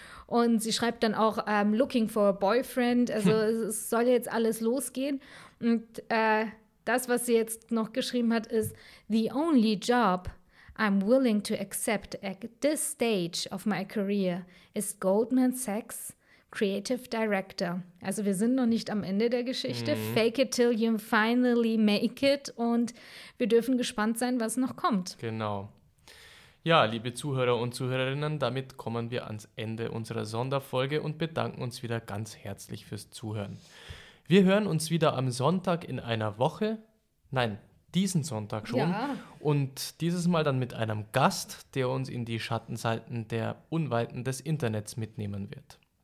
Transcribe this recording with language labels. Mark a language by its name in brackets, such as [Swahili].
[German] Und sie schreibt dann auch, [English] looking for a boyfriend. [German] Also es soll jetzt alles losgehen. Und das, was sie jetzt noch geschrieben hat, ist, [English] the only job I'm willing to accept at this stage of my career is Goldman Sachs Creative Director. [German] Also wir sind noch nicht am Ende der Geschichte. [English] Fake it till you finally make it. [German] Und wir dürfen gespannt sein, was noch kommt. Genau. Ja, liebe Zuhörer und Zuhörerinnen, damit kommen wir ans Ende unserer Sonderfolge und bedanken uns wieder ganz herzlich fürs Zuhören. Wir hören uns wieder am Sonntag in einer Woche, nein, diesen Sonntag schon, und dieses Mal dann mit einem Gast, der uns in die Schattenseiten der Unweiten des Internets mitnehmen wird.